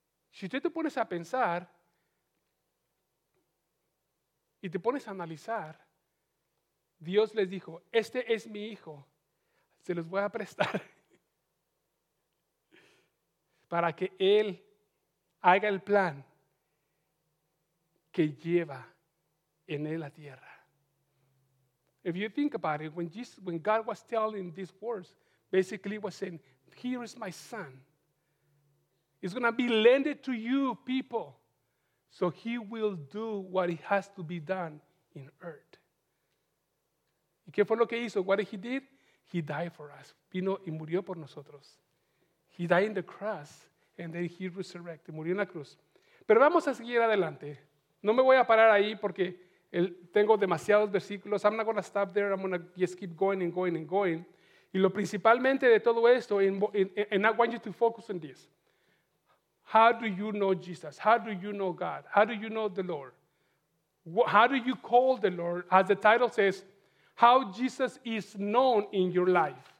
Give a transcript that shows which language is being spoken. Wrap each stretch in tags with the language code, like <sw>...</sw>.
<es>Si tú te pones a pensar y te pones a analizar, Dios les dijo, este es mi hijo, se los voy a prestar para que él haga el plan que lleva en él la tierra.</es> <en>If you think about it, when God was telling these words, basically was saying, here is my son. It's going to be lended to you, people. So he will do what he has to be done in earth.</en> <es>¿Y qué fue lo que hizo?</es> <en>What he did? He died for us.</en> <es>Vino y murió por nosotros.</es> <en>He died in the cross, and then he resurrected.</en> <es>Murió en la cruz. Pero vamos a seguir adelante. No me voy a parar ahí porque tengo demasiados versículos.</es> <en>I'm not going to stop there. I'm going to just keep going and going and going.</en> <es>Y lo principalmente de todo esto,</es> <en>and I want you to focus on this. How do you know Jesus? How do you know God? How do you know the Lord? How do you call the Lord? As the title says, how Jesus is known in your life.</en>